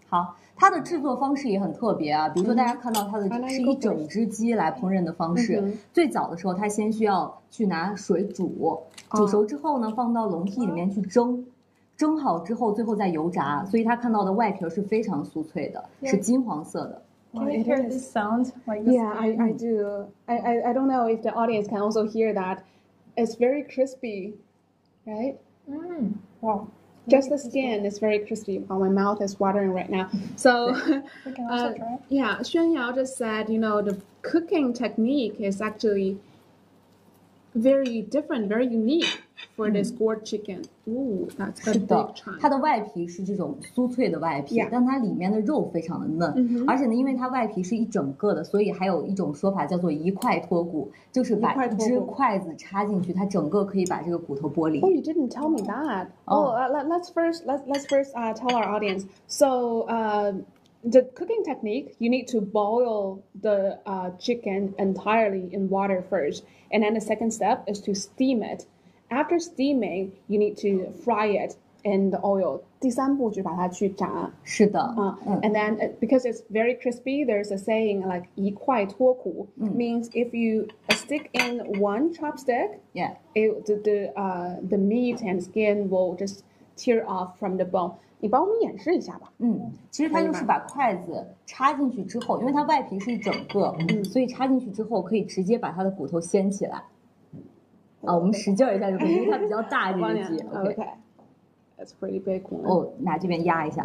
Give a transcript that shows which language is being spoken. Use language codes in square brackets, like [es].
[zh] 好，它的制作方式也很特别啊，比如说大家看到它的是一整只鸡来烹饪的方式。最早的时候，它先需要去拿水煮，煮熟之后呢，放到笼屉里面去蒸。蒸好之后最后再油炸，所以它看到的外皮是非常酥脆的、 [en] yeah. [zh] 是金黄色的。 [en] Can you hear this sound? Yeah, I do. I don't know if the audience can also hear that. It's very crispy, right? Wow. Just the skin is very crispy, but my mouth is watering right now. So, we can also try. Yeah, Xuan Yao just said, you know, the cooking technique is actually very different, very unique. For this gourd chicken, ooh, that's a big chunk. [zh] 它的外皮是这种酥脆的外皮， [en] yeah. [zh] 但它里面的肉非常的嫩。 Mm-hmm. 而且呢，因为它外皮是一整个的，所以还有一种说法叫做一块脱骨，就是把一只筷子插进去，它整个可以把这个骨头剥离。 [en] Oh, you didn't tell me that. Oh, let's first tell our audience. So, the cooking technique, you need to boil the chicken entirely in water first, and then the second step is to steam it. After steaming, you need to fry it in the oil. [zh] 第三步就把它去炸。是的。 [en] And then, because it's very crispy, there's a saying like, [zh] 一块脱骨 [en] means if you stick in one chopstick, yeah. the meat and skin will just tear off from the bone. [zh] 你帮我们演示一下吧。其实它就是把筷子插进去之后，因为它外皮是一整个，所以插进去之后可以直接把它的骨头掀起来。啊，我们实劲一下就可以，因为它比较大一点。 [en] OK， that's pretty big one。 [zh] 哦，拿这边压一下。